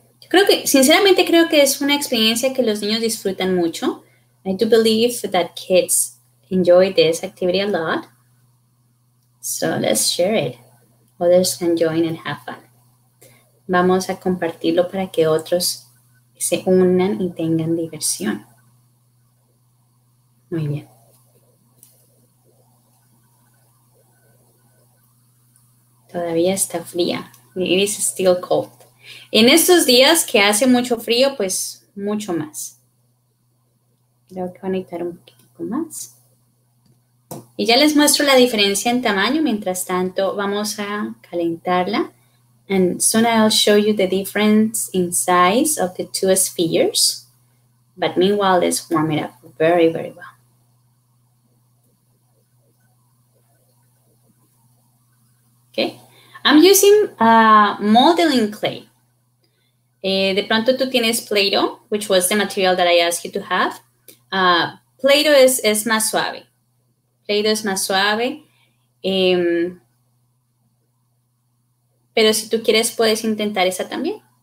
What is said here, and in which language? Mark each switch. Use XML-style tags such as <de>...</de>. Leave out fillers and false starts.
<es>Yo creo que, sinceramente, creo que es una experiencia que los niños disfrutan mucho.</es> <en>I do believe that kids enjoy this activity a lot. So let's share it. Others can join and have fun.</en> <es>Vamos a compartirlo para que otros se unan y tengan diversión. Muy bien. Todavía está fría.</es> <en>It is still cold.</en> <es>En estos días que hace mucho frío, pues mucho más. Creo que van a necesitar un poquito más. Y ya les muestro la diferencia en tamaño. Mientras tanto, vamos a calentarla.</es> <en>And soon I'll show you the difference in size of the two spheres. But meanwhile, let's warm it up very, very well. Okay. I'm using modeling clay.</en> <es>De pronto tú tienes</es> <en>Play-Doh, which was the material that I asked you to have.</en> <es>Play-Doh es más suave. Play-Doh es más suave. Pero si tú quieres, puedes intentar esa también.</es>